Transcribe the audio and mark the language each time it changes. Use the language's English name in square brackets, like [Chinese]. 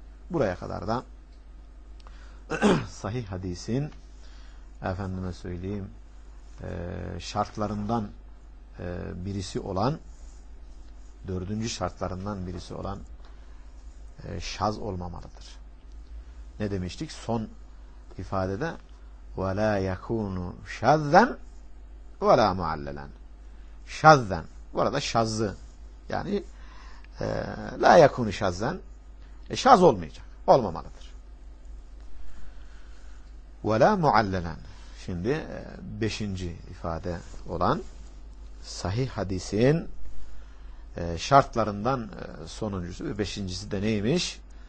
[Turkish] Buraya kadar da sahih hadisin efendime söyleyeyim şartlarından birisi olan dördüncü şartlarından birisi olan şaz olmamalıdır. Ne demiştik? Son ifadede [Arabic] وَلَا يَكُونُ شَذَّنْ وَلَا مُعَلَّلَنْ شَذَّنْ. [Turkish] Burada şazı yani [Arabic] la yakunu şazzen, [Turkish] şaz olmayacak, olmamalıdır. [Arabic] وَلَا مُعَلَّلَنْ. [Turkish] Şimdi beşinci ifade olan sahih hadisin şartlarından sonuncusu ve beşincisi de neymiş?